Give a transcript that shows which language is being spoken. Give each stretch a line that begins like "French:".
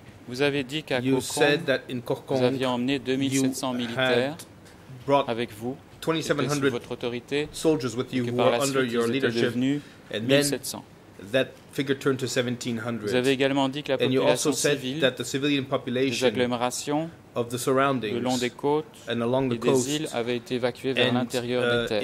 French: Vous avez dit qu'à Kokong, vous aviez emmené 2700 militaires avec vous, qui étaient sous votre autorité,
English: soldiers with you
French: et que par la suite, ils étaient devenus
English: 1700. That figure turned to 1700.
French: Vous avez également dit que la
English: and you also said that the civilian population of the surroundings
French: le long des côtes
English: and along the coast
French: îles avait été évacuée vers l'intérieur des terres.